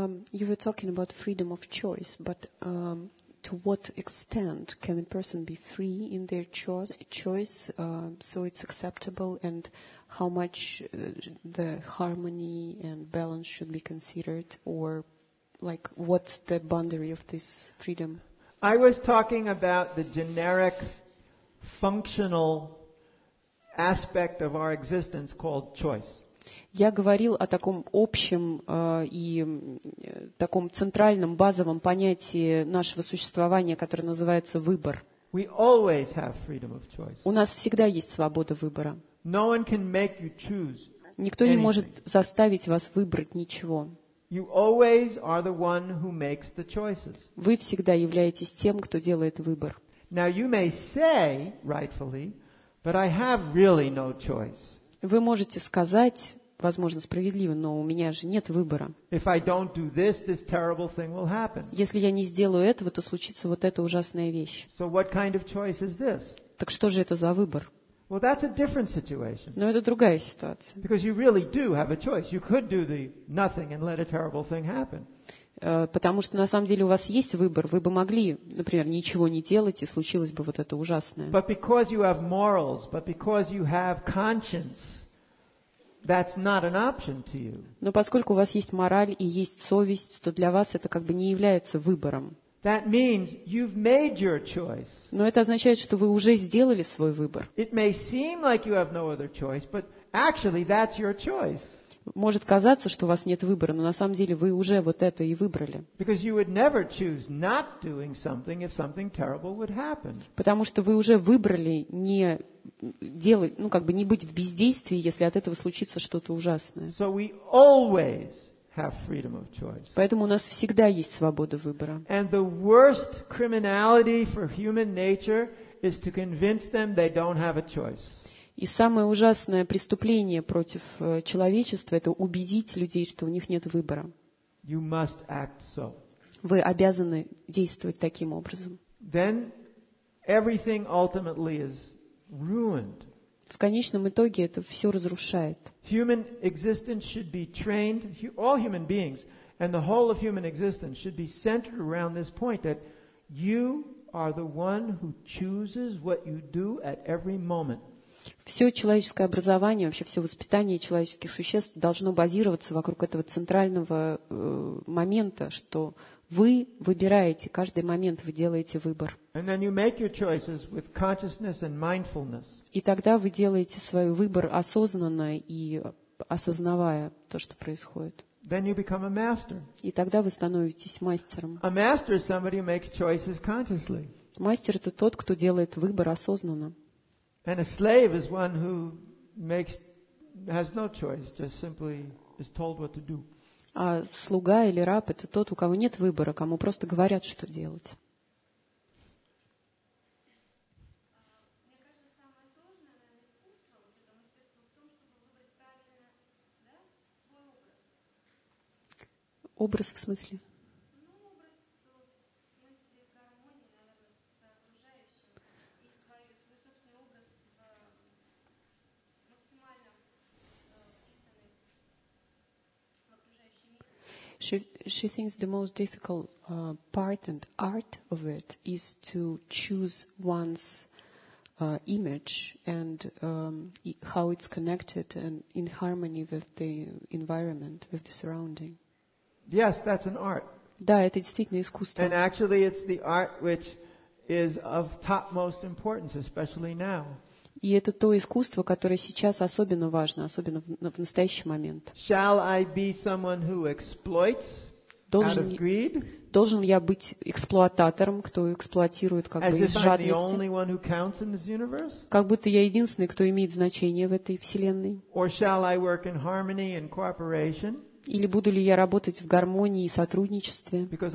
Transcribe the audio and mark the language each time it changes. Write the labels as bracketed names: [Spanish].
[English] You were talking about freedom of choice, but to what extent can a person be free in their choice so it's acceptable, and how much the harmony and balance should be considered, or like what's the boundary of this freedom? I was talking about the generic functional aspect of our existence called choice. [Russian] Я говорил о таком общем и таком центральном, базовом понятии нашего существования, которое называется выбор. [English] We always have freedom of choice. [Russian] У нас всегда есть свобода выбора. [English] No one can make you choose anything. [Russian] Никто не может заставить вас выбрать ничего. [English] You always are the one who makes the choices. [Russian] Вы всегда являетесь тем, кто делает выбор. [English] Now you may say, rightfully, but I have really no choice. [Russian] Вы можете сказать, возможно, справедливо, но у меня же нет выбора. Если я не сделаю этого, то случится вот эта ужасная вещь. Так что же это за выбор? Но это другая ситуация. Потому что на самом деле у вас есть выбор. Вы бы могли, например, ничего не делать, и случилось бы вот это ужасное. [English] But because you have morals, but because you have conscience, that's not an option to you. [Russian] Но поскольку у вас есть мораль и есть совесть, то для вас это как бы не является выбором. [English] That means you've made your choice. [Russian] Но это означает, что вы уже сделали свой выбор. [English] It may seem like you have no other choice, but actually that's your choice. [Russian] Может казаться, что у вас нет выбора, но на самом деле вы уже вот это и выбрали. [English] Because you would never choose not doing something if something terrible would happen. [Russian] Потому что вы уже выбрали не делать, ну как бы не быть в бездействии, если от этого случится что-то ужасное. [English] So we always have freedom of choice. [Russian] Поэтому у нас всегда есть свобода выбора. [English] And the worst criminality for human nature is to convince them they don't have a choice. [Russian] И самое ужасное преступление против человечества — это убедить людей, что у них нет выбора. [English] You must act so. [Russian] Вы обязаны действовать таким образом. [English] Then everything ultimately is ruined. [Russian] В конечном итоге это все разрушает. [English] Human existence should be trained, all human beings and the whole of human existence should be centered around this point that you are the one who chooses what you do at every moment. [Russian] Все человеческое образование, вообще все воспитание человеческих существ должно базироваться вокруг этого центрального момента, что вы выбираете, каждый момент вы делаете выбор. И тогда вы делаете свой выбор осознанно и осознавая то, что происходит. [English] Then you become a master. [Russian] И тогда вы становитесь мастером. [English] A master is somebody who makes choices consciously. [Russian] Мастер — это тот, кто делает выбор осознанно. [English] And a slave is one who makes has no choice, just simply is told what to do. [Russian] А слуга или раб — это тот, у кого нет выбора, кому просто говорят, что делать. Образ в смысле? Ну, образ в смысле гармонии, наверное, с окружающим. [English] She thinks the most difficult part and art of it is to choose one's image and how it's connected and in harmony with the environment, with the surrounding. Yes, that's an art. [Russian] Да, это действительно искусство. [English] And actually it's the art which is of topmost importance, especially now. [Russian] И это то искусство, которое сейчас особенно важно, особенно в настоящий момент. [English] Shall I be someone who exploits out of greed? [Russian] Должен я быть эксплуататором, кто эксплуатирует как бы из жадности? Как будто я единственный, кто имеет значение в этой вселенной? [English] Or shall I work in harmony and cooperation? [Russian] Или буду ли я работать в гармонии и сотрудничестве?